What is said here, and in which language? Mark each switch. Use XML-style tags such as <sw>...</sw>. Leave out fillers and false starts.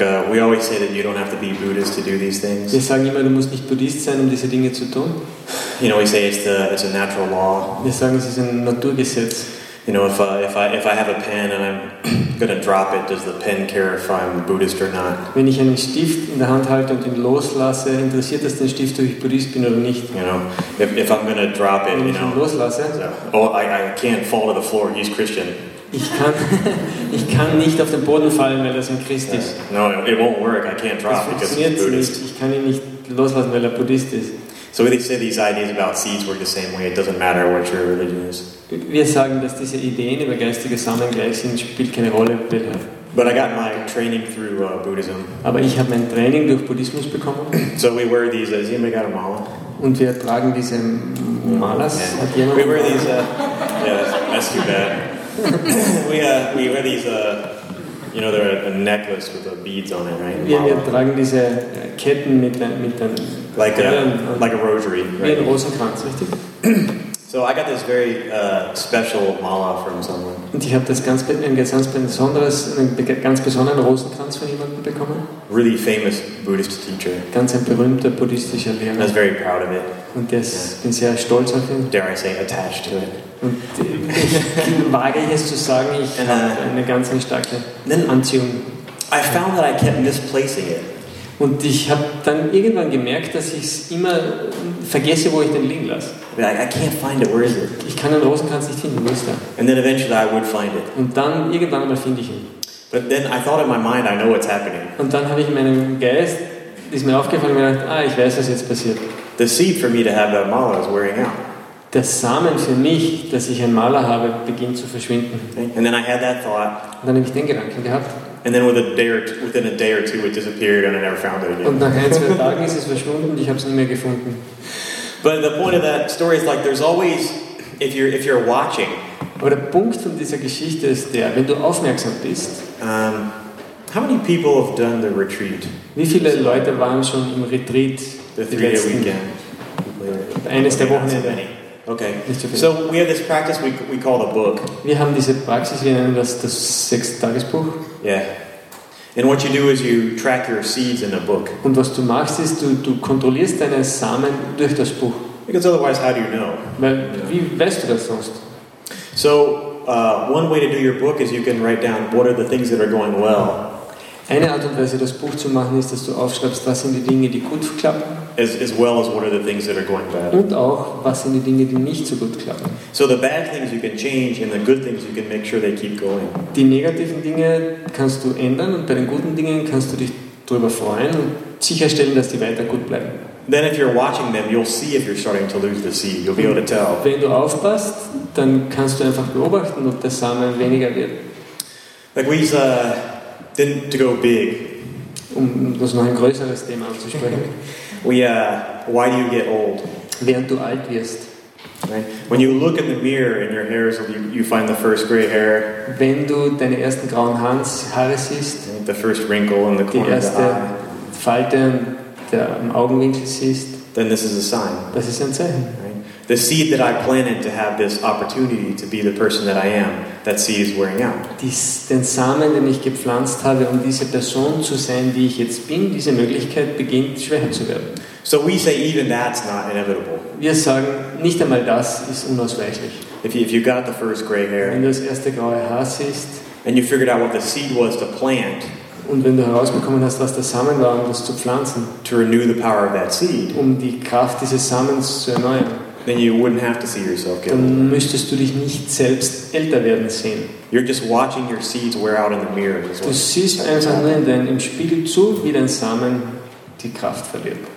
<en>We always say that you don't have to be Buddhist to do these things.</en> <de>Wir sagen immer, du musst nicht Buddhist sein, um diese Dinge zu tun.</de> <en>You know, we say it's a natural law.</en> <de>Wir sagen, es ist ein Naturgesetz.</de> <en>You know, if I have a pen and I'm gonna drop it, does the pen care if I'm Buddhist or not?</en> <de>Wenn ich einen Stift in der Hand halte und ihn loslasse, interessiert es den Stift, ob ich Buddhist bin oder nicht?</de> <en>You know, if I'm gonna drop it,</en> <de>wenn</de> <en>you know.</en> <de>Loslasse, so,</de> <en>oh, I can't fall to the floor. He's Christian.</en> <de>Ich kann nicht auf den Boden fallen, weil er ein Christ ist.</de> <en>No, it won't work. I can't drop because he's Buddhist.</en> <de>Ich kann ihn nicht loslassen, weil er Buddhist ist.</de> <en>So they say these ideas about seeds work the same way. It doesn't matter what your religion is.</en> <de>Wir sagen, dass diese Ideen über geistige Samen gleich sind, spielt keine Rolle.</de> <en>But I got my training through Buddhism.</en> <de>Aber ich habe mein Training durch Buddhismus bekommen.</de> <en>So we wear these. Has anybody got a mala?</en> <de>Und wir tragen diese Malas.</de> <en>Hat jemand? We wear these. That's too bad. we wear these. You know, they're a necklace with the beads on it, right?</en> <de>Wir tragen diese Ketten mit den</de> <en>like a rosary, right?</en> <de>Wie ein Rosenkranz, richtig?</de> <en>So I got this very special mala from someone.</en> <de>Und ich habe das ganz besonderen Rosenkranz von jemandem bekommen.</de> <en>Really famous Buddhist teacher.</en> <de>Ganz ein berühmter buddhistischer Lehrer.</de> <en>I was very proud of it.</en> <de>Und das, yeah. Bin sehr stolz auf ihn.</de> <en>Dare I say attached to it.</en> <de>Und ich wage jetzt zu sagen, ich habe eine ganz starke Anziehung.</de> <en>I found that I kept misplacing it.</en> <de>Und ich habe dann irgendwann gemerkt, dass ich es immer vergesse, wo ich den liegen lasse.</de> <en>I can't find it. Where is it?</en> <de>Ich kann den Rosenkranz nicht finden. Wo ist er?</de> <en>And then eventually I would find it.</en> <de>Und dann irgendwann mal finde ich ihn.</de> <en>But then I thought in my mind, I know what's happening.</en> <de>Und dann habe ich in meinem Geist, ist mir aufgefallen, mir gedacht, ich weiß, was jetzt passiert.</de> <en>The seed for me to have that mala is wearing out.</en> <de>Der Samen für mich, dass ich ein Maler habe, beginnt zu verschwinden.</de> <en>And then I had that thought.</en> <de>Und dann habe ich den Gedanken gehabt.</de> <en>And then within a day or two, it disappeared, and I never found it again.</en> <de>Und nach ein, zwei Tagen ist es verschwunden, und ich habe es nie mehr gefunden.</de> <en>But the point of that story is like there's always if you're watching.</en> <de>Aber der Punkt von dieser Geschichte ist der, wenn du aufmerksam bist.</de> <en>How many people have done the retreat?</en> <de>Wie viele Leute waren schon im Retreat?</de> <en>The three-day weekend.</en> <de>Eines der Wochenende.</de> <en>Okay. So we have this practice we call the book.</en> <de>Wir haben diese Praxis, wir nennen das das Sechstagesbuch.</de> <en>Yeah. And what you do is you track your seeds in a book.</en> <de>Und was du machst ist, du kontrollierst deine Samen durch das Buch.</de> <en>Because otherwise, how do you know?</en> <de>Weil, wie weißt du das sonst?</de> <en>So one way to do your book is you can write down what are the things that are going well.</en> <de>Eine Art und Weise, das Buch zu machen, ist, dass du aufschreibst, was sind die Dinge, die gut klappen.</de> <en>As well as what are the things that are going bad.</en> <de>Und auch, was sind die Dinge, die nicht so gut klappen.</de> <en>So the bad things you can change and the good things you can make sure they keep going.</en> <de>Die negativen Dinge kannst du ändern und bei den guten Dingen kannst du dich darüber freuen und sicherstellen, dass die weiter gut bleiben.</de> <en>Then if you're watching them, you'll see if you're starting to lose the seed. You'll be able to tell.</en> <de>Wenn du aufpasst, dann kannst du einfach beobachten, ob der Samen weniger wird.</de> <en>Like we then to go big.</en> <de>Um das noch ein größeres Thema anzusprechen.</de> <en>Why do you get old?</en> <de>Während du alt wirst.</de> <en>Right? When you look in the mirror and your hair is, you find the first gray hair.</en> <de>Wenn du deine ersten grauen Haare siehst.</de> <en>The first wrinkle in the corner of the eye.</en> <de>Die erste Falte im Augenwinkel siehst.</de> <en>Then this is a sign.</en> <de>Das ist ein Zeichen.</de> <en>The seed that I planted to have this opportunity to be the person that I am, that seed is wearing out.</en> <de>Den Samen, den ich gepflanzt habe, um diese Person zu sein, die ich jetzt bin, diese Möglichkeit beginnt schwächer zu werden.</de> <en>So we say even that's not inevitable.</en> <de>Wir sagen, nicht einmal das ist unausweichlich.</de> <en>If you got the first gray hair,</en> <de>wenn du das erste graue Haar siehst,</de> <en>and you figured out what the seed was to plant,</en> <de>und wenn du herausbekommen hast, was der Samen war, um das zu pflanzen,</de> <en>to renew the power of that seed,</en> <de>um die Kraft dieses Samens zu erneuern,</de> <en>then you wouldn't have to see yourself get older.</en> <de>Dann müsstest du dich nicht selbst älter werden sehen.</de> <en>You're just watching your seeds wear out in the mirror.</en> <de>Du siehst einfach nur im Spiegel zu, wie dein Samen die Kraft verliert.</de>